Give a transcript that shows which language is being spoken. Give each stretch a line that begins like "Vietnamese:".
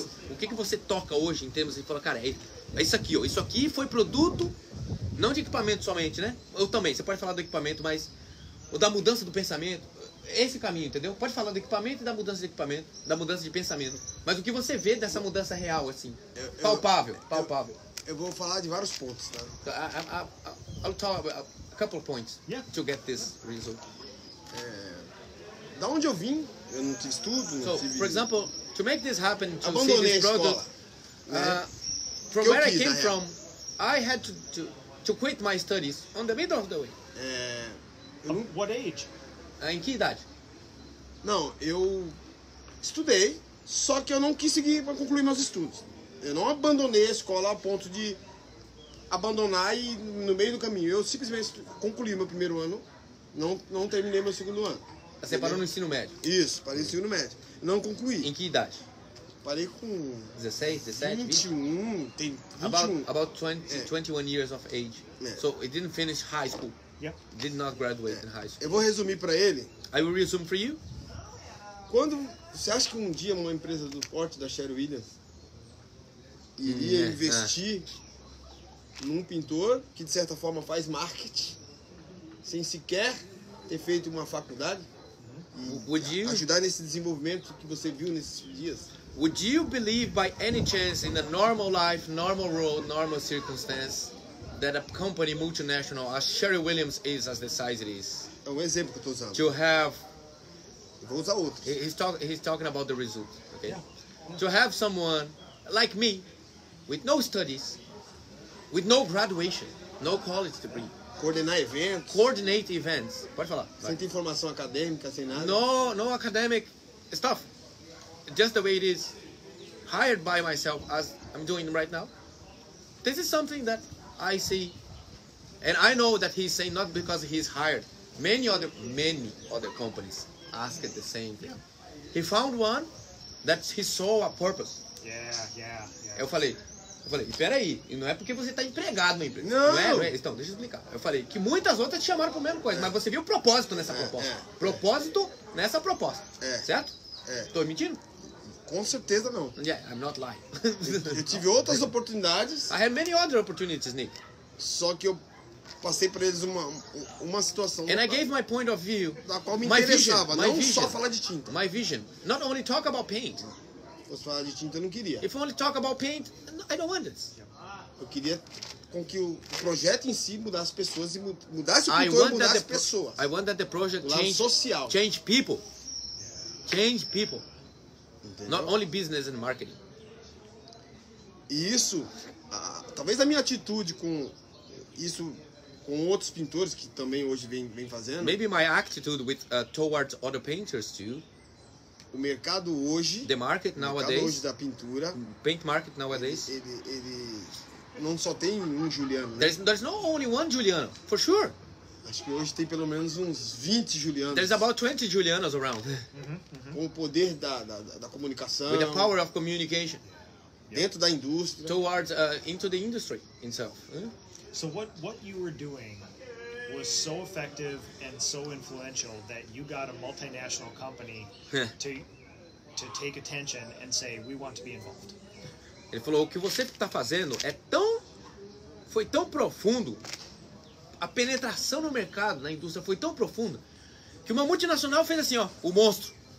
Portuguese: O que você toca hoje em termos de falar, cara, é isso aqui, ó. Isso aqui foi produto, não de equipamento somente, né? Ou também, você pode falar do equipamento, mas. Ou da mudança do pensamento. Esse caminho, entendeu? Pode falar do equipamento e da mudança de equipamento, da mudança de pensamento. Mas o que você vê dessa mudança real, assim? Palpável. Eu vou falar de vários pontos, tá?
English: I'll talk about a couple of points to get this result.
Portuguese: Da onde eu vim? Eu não tive estudo, não tive...
English: For example, to make this happen, to see this product,
Portuguese: escola, né?
English: From where I came from, I had to quit my studies on the middle of the way. What age?
Portuguese: Em que idade? Não, eu estudei, só que eu não quis seguir para concluir meus estudos. Eu não abandonei a escola a ponto de abandonar e no meio do caminho. Eu simplesmente concluí meu primeiro ano, não terminei meu segundo ano. Você parou no ensino médio? Isso, parei no ensino médio. Não concluí. Em que idade? Parei com... 16, 17, 21, 20? Tem 21.
English: About 21 years of age. So, it didn't finish high school. Yeah. Did not graduate in high school.
Portuguese: Eu vou resumir para ele.
English: I will resume for you.
Portuguese: Quando... Você acha que um dia uma empresa do porte da Sherwin Williams iria investir num pintor que, de certa forma, faz marketing sem sequer ter feito uma faculdade?
English: Would you
Portuguese: ajudar nesse desenvolvimento que você viu nesses dias?
English: Would you believe by any chance in a normal life, normal world, normal circumstance that a company multinational as Sherwin Williams is as the size it is?
Portuguese: É um exemplo que eu tô usando.
English: To have
Portuguese: eu vou usar outro.
English: He's talking about the result, okay? To have someone like me with no studies, with no graduation, no college degree. Coordinate events.
Portuguese: Pode falar. Sem ter informação acadêmica, sem nada.
English: No academic stuff. Just the way it is. Hired by myself as I'm doing right now. This is something that I see. And I know that he's saying not because he's hired. Many other companies ask it the same thing. Yeah. He found one that he saw a purpose. Yeah.
Portuguese: Eu falei, peraí, não é porque você está empregado na empresa. Não é. Então, deixa eu explicar. Eu falei que muitas outras te chamaram para a mesma coisa, mas você viu o propósito nessa proposta. Nessa proposta. Certo? Estou mentindo? Com certeza não.
English: Yeah, I'm not lying.
Portuguese: Eu tive outras oportunidades.
English: I had many other opportunities, Nick.
Portuguese: Só que eu passei para eles uma situação.
English: And I gave my point of view.
Portuguese: Da qual me interessava, não só falar de tinta.
English: My vision. Not only talk about paint.
Portuguese: Se fosse falar de tinta, eu não queria.
English: If only talk about paint, I don't want this.
Portuguese: Eu queria com que o projeto em si mudasse pessoas e mudasse o pintor e mudasse pessoas.
English: I want that the project change people. Change people.
Portuguese: Entendeu?
English: Not only business and marketing.
Portuguese: E isso, talvez a minha atitude com isso, com outros pintores que também hoje vem fazendo.
English: Maybe my attitude towards other painters too.
Portuguese: O mercado hoje,
English: the market nowadays,
Portuguese: hoje da pintura,
English: paint market nowadays,
Portuguese: ele não só tem um Giuliano.
English: There's not only one Giuliano, for sure.
Portuguese: Acho que hoje tem pelo menos uns 20 Giulianos.
English: There's about 20 Giulianos around.
Portuguese: Com o poder da comunicação.
English: With the power of communication.
Portuguese: Dentro da indústria.
English: Towards into the industry itself. So what you were doing was so effective and so influential that you got a multinational company to take attention and say we want to be involved.
Portuguese: Ele falou o que você está fazendo foi tão profundo, a penetração no mercado, na indústria foi tão profunda que uma multinacional fez assim, ó, o monstro.